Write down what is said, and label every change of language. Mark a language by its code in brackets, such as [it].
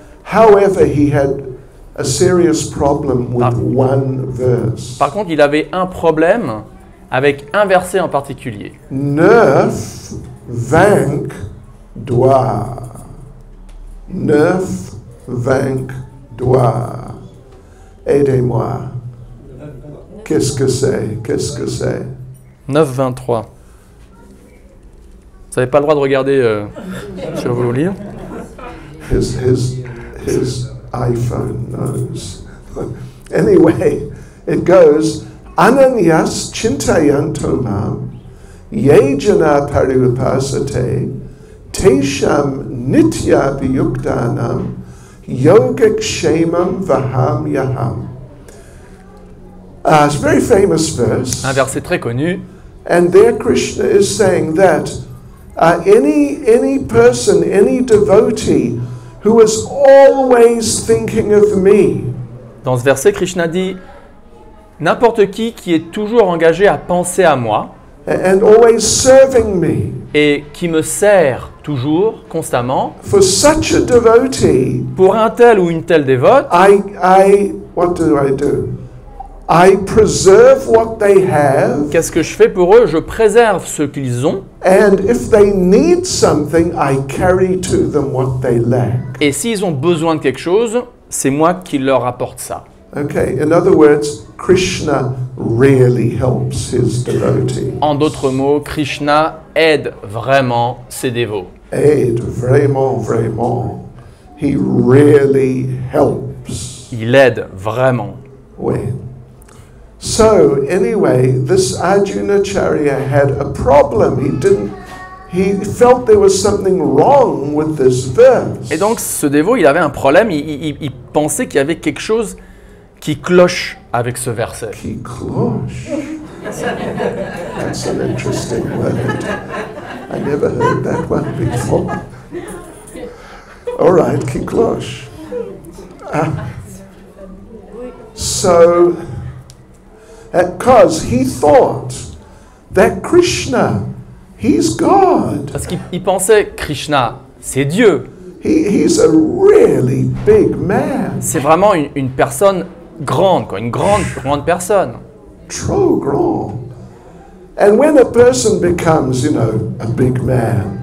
[en] However, he had a serious problem with one verse. [fr] Par contre, il avait un problème avec un verset en particulier. Nerf vainc doa. Nerf vainc doa. Aidez-moi. Qu'est-ce que c'est? Qu'est-ce que c'est? [en] 9.23. [fr] Vous n'avez pas le droit de regarder sur vos livres. [en] His iPhone knows. Anyway, it goes [sa] Ananyas Chintayantoma Yejana Parivipasate Tesham Nitya Vyuktanam Yogakshemam Vaham Yaham. [en] It's a very famous verse. [fr] Un verset très connu. [en] And there Krishna is saying that any person, any devotee who is always thinking of me. [fr] Dans ce verset, Krishna dit n'importe qui est toujours engagé à penser à moi. [en] And always serving me. [fr] Et qui me sert toujours, constamment. [en] For such a devotee. [fr] Pour un tel ou une telle dévote. [en] What do I do? I preserve what they have. [fr] Qu'est-ce que je fais pour eux? Je préserve ce qu'ils ont. [en] And if they need something, I carry to them what they lack. [fr] Et s'ils ont besoin de quelque chose, c'est moi qui leur apporte ça. [en] Okay. In other words, Krishna really helps his devotees. [fr] En d'autres mots, Krishna aide vraiment ses dévots. Aide vraiment, vraiment. [en] He really helps. [fr] Il aide vraiment. [en] Oui. So anyway, this Arjunacharya had a problem. He felt there was something wrong with this verse. [fr] Et donc ce dévot, il avait un problème. Il pensait qu'il y avait quelque chose qui cloche avec ce verset. Qui cloche. [en] That's an interesting word. I never heard that one before. All right, qui cloche. Because he thought that Krishna, he's God. [fr] Parce qu'il pensait Krishna, c'est Dieu. [en] He's a really big man. [fr] C'est vraiment une personne grande, quoi, une grande personne. Trop grand. [en] And when a person becomes, you know, a big man.